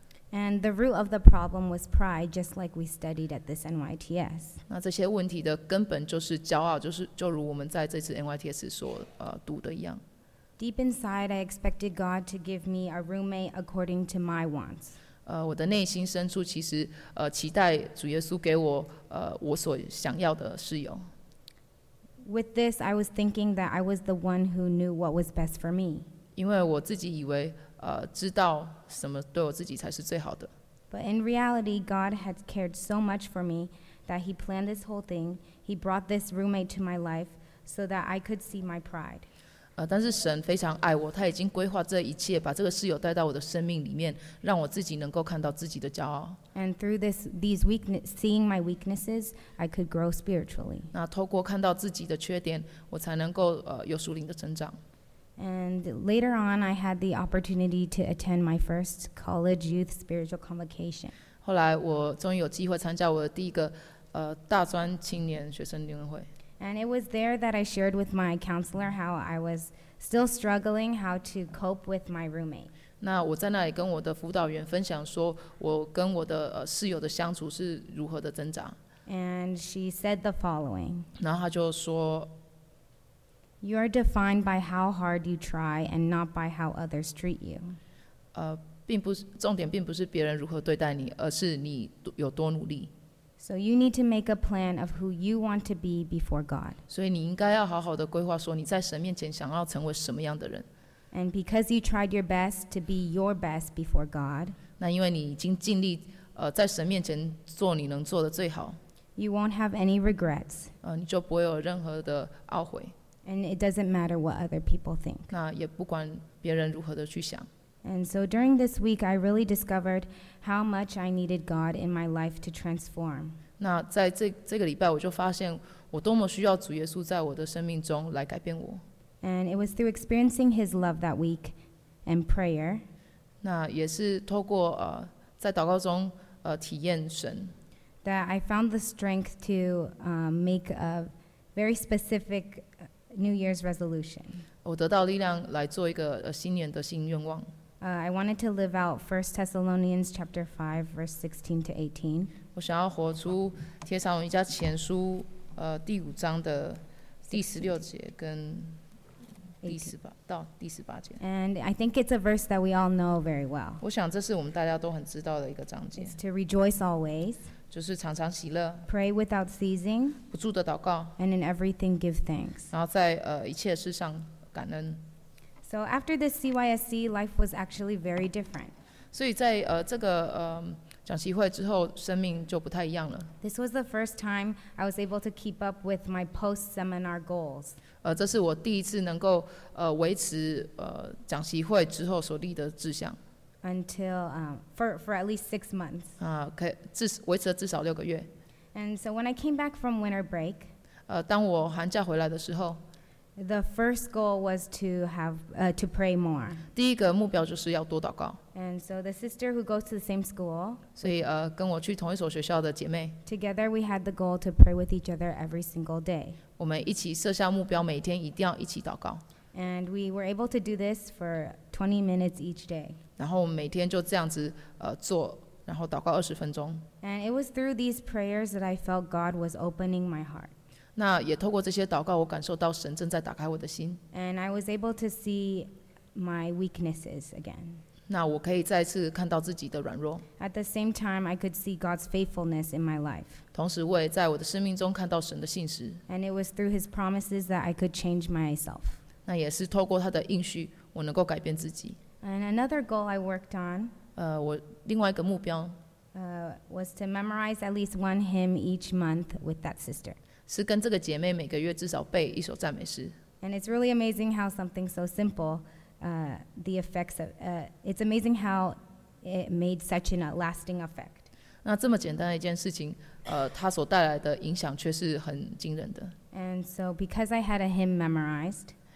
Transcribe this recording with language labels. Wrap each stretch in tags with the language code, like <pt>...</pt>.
<en>And the root of the problem was pride, just like we studied at this NYTS.</en> <zh>那这些问题的根本就是骄傲，就如我们在这次 NYTS 所读的一样。</zh> <en>Deep inside, I expected God to give me a roommate according to my wants.</en> <zh>我的内心深处其实期待主耶稣给我我所想要的室友。</zh> <en>With this, I was thinking that I was the one who knew what was best for me.</en> <zh>因为我自己以为知道什么对我自己才是最好的。</zh> <en>But in reality, God had cared so much for me that he planned this whole thing. He brought this roommate to my life so that I could see my pride.</en> <zh>但是神非常爱我，他已经规划这一切，把这个室友带到我的生命里面，让我自己能够看到自己的骄傲。</zh> <en>And through this, these weakness, seeing my weaknesses, I could grow spiritually.</en> <zh>那透过看到自己的缺点，我才能够有属灵的成长。</zh> <en>And later on, I had the opportunity to attend my first college youth spiritual convocation.</en> <zh>后来我终于有机会参加我的第一个大专青年学生联会。</zh> <en>And it was there that I shared with my counselor how I was still struggling how to cope with my roommate.</en> <zh>那我在那里跟我的辅导员分享说我跟我的室友的相处是如何的挣扎。</zh> <en>And she said the following.</en> <zh>然后她就说。</zh> <en>You are defined by how hard you try and not by how others treat you.</en> <zh>并不是重点并不是别人如何对待你，而是你有多努力。</zh> <en>So you need to make a plan of who you want to be before God.</en> <zh>所以你应该要好好的规划说你在神面前想要成为什么样的人。</zh> <en>And because you tried your best to be your best before God.</en> <zh>那因为你已经尽力在神面前做你能做的最好。</zh> <en>You won't have any regrets.</en> <zh>你就不会有任何的懊悔。</zh> <en>And it doesn't matter what other people think.</en> <zh>那也不管别人如何的去想。</zh> <en>And so during this week, I really discovered how much I needed God in my life to transform.</en> <zh>那在这个礼拜，我就发现我多么需要主耶稣在我的生命中来改变我。</zh> <en>And it was through experiencing His love that week and prayer.</en> <zh>那也是透过在祷告中体验神。</zh> <en>That I found the strength to make a very specific New Year's resolution.</en> <zh>我得到力量来做一个新年的新愿望。</zh> <en>I wanted to live out 1 Thessalonians chapter 5 verse 16 to 18.</en> <zh>我想要活出帖撒罗尼迦前书第五章的第十六节跟第十八节。</zh> <en>And I think it's a verse that we all know very well.</en> <zh>我想这是我们大家都很知道的一个章节。</zh> <en>It's to rejoice always.</en> <zh>就是常常喜乐。</zh> <en>Pray without ceasing.</en> <zh>不住的祷告。</zh> <en>And in everything give thanks.</en> <zh>然后在一切事上感恩。</zh> <en>So after this CYSC, life was actually very different.</en> <zh>所以在这个讲习会之后，生命就不太一样了。</zh> <en>This was the first time I was able to keep up with my post-seminar goals.</en> <zh>这是我第一次能够维持讲习会之后所立的志向。</zh> <en>Until for at least 6 months.</en> <zh>可以维持了至少六个月。</zh> <en>And so when I came back from winter break.</en> <zh>当我寒假回来的时候。</zh> <en>The first goal was to pray more.</en> <zh>第一个目标就是要多祷告。</zh> <en>And so the sister who goes to the same school.</en> <zh>所以跟我去同一所学校的姐妹。</zh> <en>Together we had the goal to pray with each other every single day.</en> <zh>我们一起设下目标，每天一定要一起祷告。</zh> <en>And we were able to do this for 20 minutes each day.</en> <zh>然后我们每天就这样子做，然后祷告二十分钟。</zh> <en>And it was through these prayers that I felt God was opening my heart.</en> <zh>那也透过这些祷告，我感受到神正在打开我的心。</zh> <en>And I was able to see my weaknesses again.</en> <zh>那我可以再次看到自己的软弱。</zh> <en>At the same time, I could see God's faithfulness in my life.</en> <zh>同时，我也在我的生命中看到神的信实。</zh> <en>And it was through His promises that I could change myself.</en> <zh>那也是透过他的应许，我能够改变自己。</zh> <en>And another goal I worked on.</en> <zh>我另外一个目标。</zh> <en>Was to memorize at least one hymn each month with that sister.</en> <zh>是跟这个姐妹每个月至少背一首赞美诗。</zh> <en>And it's really amazing how something so simple, the effects of, it's amazing how it made such an lasting effect.</en> <zh>那这么简单的一件事情，它所带来的影响却是很惊人的。</zh> <en>And so because I had a hymn memorized,</en>